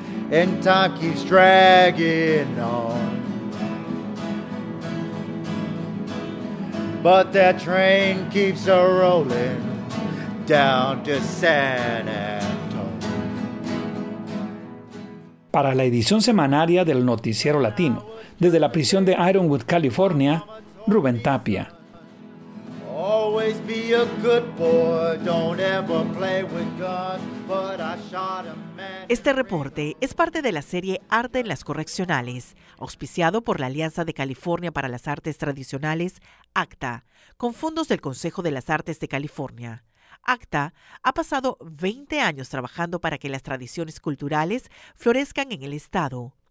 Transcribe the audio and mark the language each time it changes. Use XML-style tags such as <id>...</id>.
<en>And time keeps dragging on, but that train keeps a rolling down to San Antonio.</en> <es>Para la edición semanaria del Noticiero Latino, desde la prisión de Ironwood, California, Rubén Tapia.</es> <en>Always be a good boy, don't ever play with guns, but I shot a man.</en> <es>Este reporte es parte de la serie Arte en las Correccionales, auspiciado por la Alianza de California para las Artes Tradicionales, ACTA, con fondos del Consejo de las Artes de California. ACTA ha pasado 20 años trabajando para que las tradiciones culturales florezcan en el estado.</es>